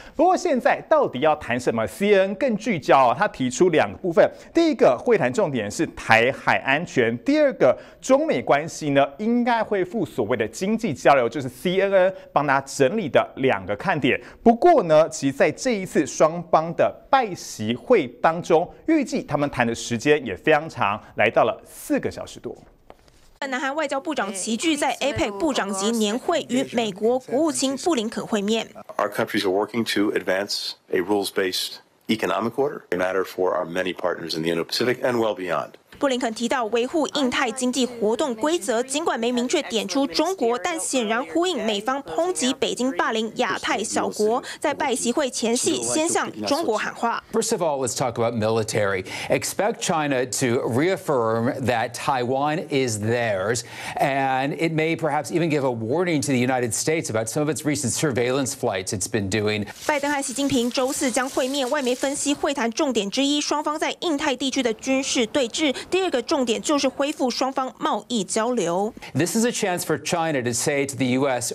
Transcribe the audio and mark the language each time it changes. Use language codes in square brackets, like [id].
[zh] 不过现在到底要谈什么， CNN 更聚焦，他提出两个部分，第一个会谈重点是台海安全，第二个中美关系呢应该恢复所谓的经济交流，就是 CNN 帮他整理的两个看点。不过呢，其实在这一次双方的拜习会当中，预计他们谈的时间也非常长，来到了4小时多。南韩外交部长齐聚在 APEC 部长级年会与美国国务卿布林肯会面。 [en] Our countries are working to advance a rules-based economic order, a matter for our many partners in the Indo-Pacific and well beyond. [zh] 布林肯提到维护印太经济活动规则，尽管没明确点出中国，但显然呼应美方抨击北京霸凌亚太小国，在拜习会前夕先向中国喊话。 [en] First of all, let's talk about military. Expect China to reaffirm that Taiwan is theirs, and it may perhaps even give a warning to the United States about some of its recent surveillance flights it's been doing. [zh] 拜登和习近平周四将会面，外媒分析会谈重点之一，双方在印太地区的军事对峙。第二个重点就是恢复双方贸易交流。 [en] This is a chance for China to say to the U.S.